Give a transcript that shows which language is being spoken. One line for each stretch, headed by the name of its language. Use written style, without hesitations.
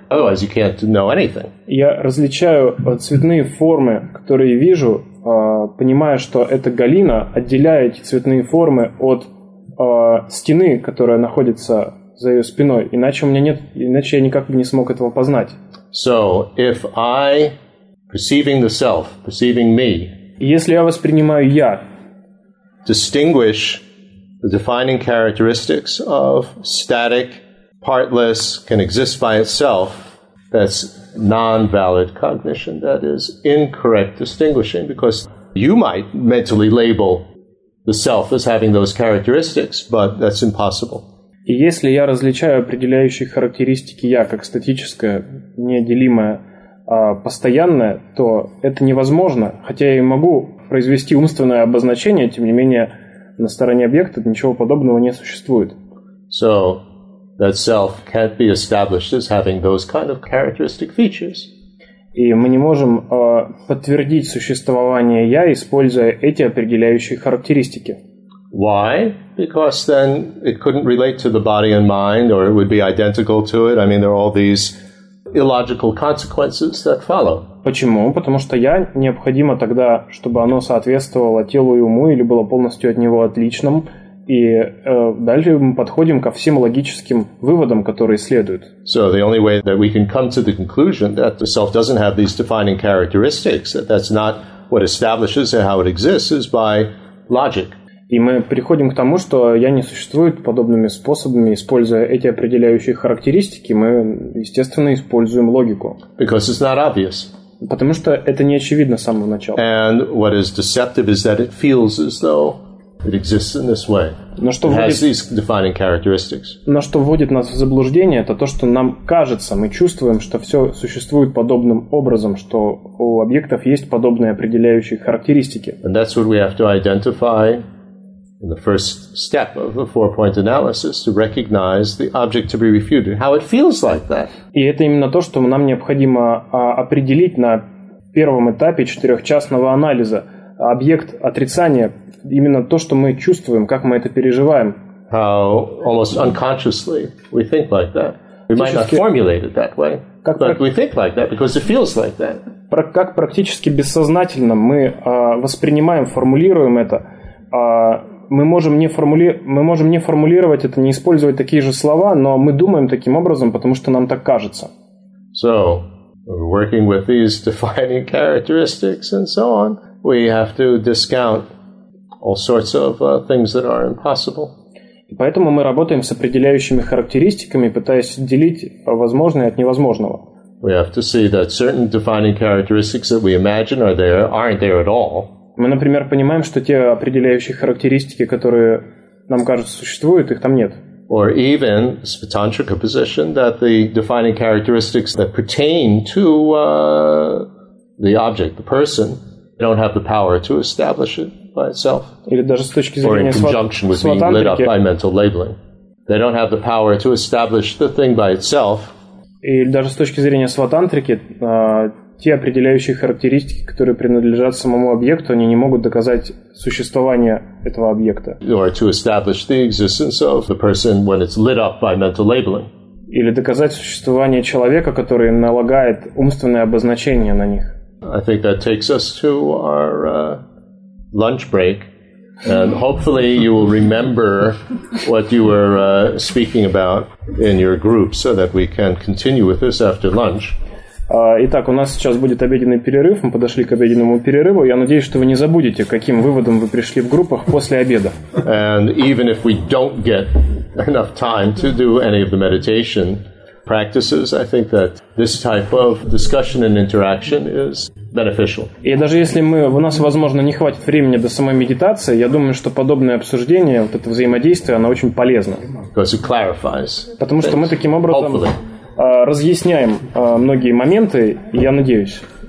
English: Otherwise, you can't know anything.
Russian: Я различаю цветные формы, которые вижу, понимая, что это Галина, отделяя эти цветные формы от стены, которая находится за ее спиной. Иначе я никак бы не смог этого познать.
English: So, if I, perceiving the self, perceiving me,
Russian: если я воспринимаю я,
English: distinguish the defining characteristics of static, partless, can exist by itself, that's non-valid cognition, that is incorrect distinguishing, because you might mentally label the self as having those characteristics, but that's impossible.
Russian: И если я различаю определяющие характеристики я как статическое, неотделимое, постоянное, то это невозможно, хотя я и могу произвести умственное обозначение, тем не менее, на стороне объекта ничего подобного не существует.
English: So, that self can't be established as having those kind of characteristic features.
Russian: И мы не можем подтвердить существование я, используя эти определяющие характеристики.
English: Why? Because then it couldn't relate to the body and mind, or it would be identical to it. I mean, there are all these illogical consequences that follow.
Russian: Почему? Потому что я необходимо тогда, чтобы оно соответствовало телу и уму или было полностью от него отличным. И дальше мы подходим ко всем логическим выводам, которые следуют.
English: So the only way that we can come to the conclusion that the self doesn't have these defining characteristics, that that's not what establishes how it exists, is by logic.
Russian: И мы приходим к тому, что я не существует подобными способами, используя эти определяющие характеристики, мы, естественно, используем логику.
English: Because it's not obvious.
Russian: Потому что это не очевидно с самого начала.
English: And what is deceptive is that it feels as though it exists in this way.
Russian: Но что
English: it
Russian: вводит,
English: has these defining characteristics.
Russian: Но что вводит нас в заблуждение, это то, что нам кажется, мы чувствуем, что все существует подобным образом, что у объектов есть подобные определяющие характеристики.
English: And that's what we have to identify. In the first step of the four-point analysis, to recognize the object to be refuted, how it feels like that.
Russian: И это именно то, что нам необходимо определить на первом этапе четырехчастного анализа. Объект отрицания, именно то, что мы чувствуем, как мы это переживаем.
English: How almost unconsciously we think like that. We might not formulate it that way, but we think like that because it feels like that.
Russian: Как практически бессознательно мы воспринимаем, формулируем это, Мы можем не формулировать это, не использовать такие же слова, но мы думаем таким образом, потому что нам так кажется.
English: So, working with these defining characteristics and so on, we have to discount all sorts of things that are impossible.
Russian: И поэтому мы работаем с определяющими характеристиками, пытаясь делить возможное от невозможного.
English: We have to see that certain defining characteristics that we imagine are there aren't there at all.
Russian: Мы, например, понимаем, что те определяющие характеристики, которые нам кажется существуют, их там нет.
English: Or even Svatantrika position that the defining characteristics that pertain to the object, the person, don't have the power to establish it by itself.
Russian: Или даже с точки зрения Svatantrika.
English: Or in conjunction with being lit up by mental labeling. They don't have the power to establish the thing by itself.
Russian: Или даже с точки зрения Svatantriki, те определяющие характеристики, которые принадлежат самому объекту, они не могут доказать существование этого объекта.
English: Or to establish the existence of the person when it's lit up by mental labeling.
Russian: Или доказать существование человека, который налагает умственное обозначение на них.
English: I think that takes us to our lunch break. And hopefully you will remember what you were speaking about in your group so that we can continue with this after lunch.
Russian: Итак, у нас сейчас будет обеденный перерыв. Мы подошли к обеденному перерыву. Я надеюсь, что вы не забудете, каким выводом вы пришли в группах после обеда.
English: And even if we don't get enough time to do any of the meditation practices, I think that this type of discussion and interaction is beneficial.
Russian: И даже если у нас, возможно, не хватит времени до самой медитации, я думаю, что подобное обсуждение, вот это взаимодействие, оно очень полезно.
English: Because it clarifies.
Russian: Потому что мы таким образом...
English: Hopefully.
Russian: Разъясняем многие моменты, я надеюсь.